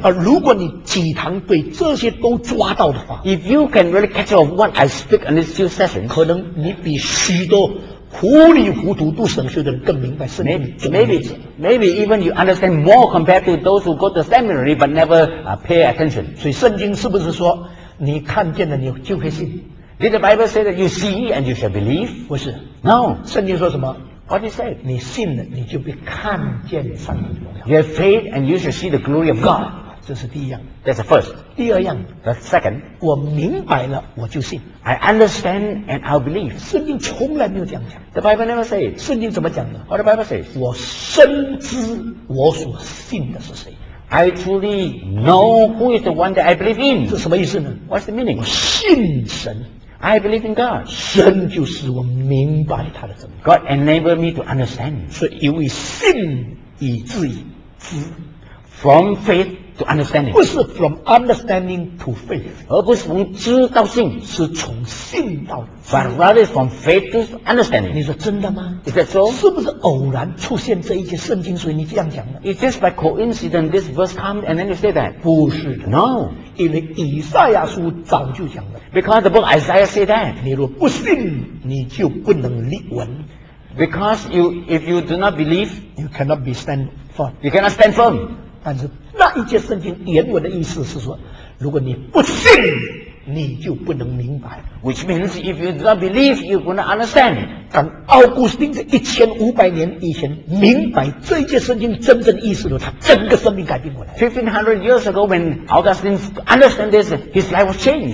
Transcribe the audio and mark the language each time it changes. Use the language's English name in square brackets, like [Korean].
[Chinese] 而如果你几堂对这些都抓到的话 [English] ，If you can really catch up what I speak in this few sessions， [Chinese] 可能你比许多糊里糊涂读神学的人更明白圣经。 [English] Maybe even you understand more compared to those who go to seminary but never pay attention. [Chinese] 所以圣经是不是说你看见了你就会信？ [English] Did the Bible say that you see and you shall believe? [Chinese] 不是。 [English] No. [Chinese] 圣经说什么？ [English] What did it say? [Chinese] 你信了，你就会看见上帝的荣耀。 [English] You have faith and you shall see the glory of God. [Chinese] 这是第一样。 [English] That's the first. [Chinese] 第二样。 [English] The second. [Chinese] 我明白了，我就信。 [English] I understand and I believe. [Chinese] 圣经从来没有这样讲。 [English] The Bible never said. [Chinese] 圣经怎么讲的？ [English] What the Bible says? [Chinese] 我深知我所信的是谁。 [English] I truly know who is the one that I believe in. [Chinese] 这什么意思呢？ [English] What's the meaning? [Chinese] 我信神。 [English] I believe in God. [Chinese] 神就是我明白他的真理。 [English] God enabled me to understand. [Chinese] 所以因为信以至于知。 [English] From faith to understanding. [Chinese] 不是 [English] from understanding to faith. [Chinese] 而不是从知到信，是从信到知。 [English] But rather from faith to understanding. [Chinese] 你说真的吗？ [English] Is that so? [Chinese] 是不是偶然出现这一节圣经，所以你这样讲的？ [English] It's just by coincidence this verse comes and then you say that. [Chinese] 不是的。 [English] No. [Chinese] 因为以赛亚书早就讲了。 [English] Because the book Isaiah said that. [Chinese] 你若不信，你就不能立稳。 [English] Because you, if you do not believe, you cannot be stand firm. You cannot stand firm. [Chinese] 但是那一节圣经原文的意思是说，如果你不信，你就不能明白。 [English] Which means if you do not believe, you will not understand. [Chinese] 当奥古斯丁在1500年以前明白这一节圣经真正意思的时候，他整个生命改变过来。 [English] 1500 years ago, when Augustine understood this, his life was changed.